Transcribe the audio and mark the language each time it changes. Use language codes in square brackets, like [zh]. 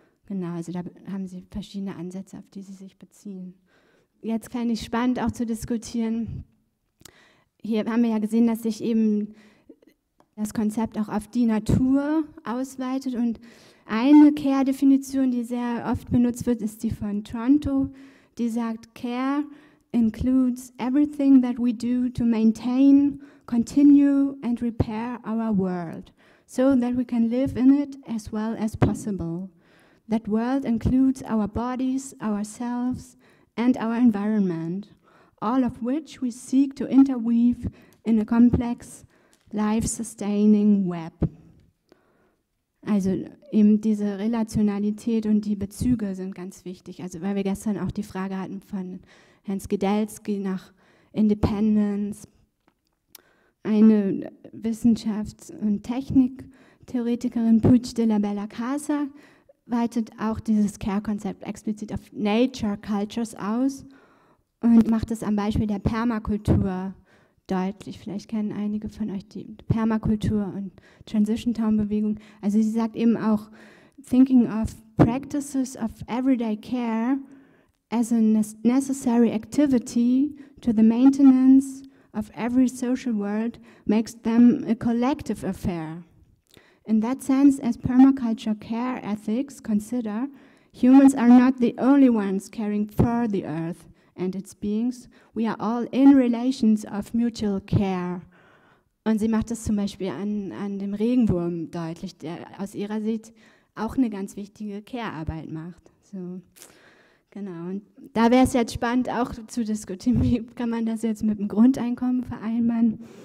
[de] Genau, also da haben Sie verschiedene Ansätze, auf die Sie sich beziehen. Jetzt fände ich spannend auch zu diskutieren. Hier haben wir ja gesehen, dass sich eben das Konzept auch auf die Natur ausweitet. Und eine Care-Definition, die sehr oft benutzt wird, ist die von Toronto. Die sagt, [en] Care includes everything that we do to maintain, continue and repair our world, so that we can live in it as well as possible. That world includes our bodies, ourselves, and our environment, all of which we seek to interweave in a complex, life-sustaining web. [de] Also eben diese Relationalität und die Bezüge sind ganz wichtig. Also weil wir gestern auch die Frage hatten von Herrn Skidelsky nach Independence. Eine Wissenschafts- und Techniktheoretikerin, Puig de la Bella Casa, weitet auch dieses Care-Konzept explizit auf Nature-Cultures aus und macht es am Beispiel der Permakultur deutlich. Vielleicht kennen einige von euch die Permakultur und Transition Town-Bewegung. Also sie sagt eben auch, [en] thinking of practices of everyday care as a necessary activity to the maintenance of every social world makes them a collective affair. In that sense, as permaculture care ethics consider, humans are not the only ones caring for the earth and its beings. We are all in relations of mutual care. [de] Und sie macht das zum Beispiel an dem Regenwurm deutlich, der aus ihrer Sicht auch eine ganz wichtige Care-Arbeit macht. So. Genau, und da wäre es jetzt spannend auch zu diskutieren, wie kann man das jetzt mit dem Grundeinkommen vereinbaren.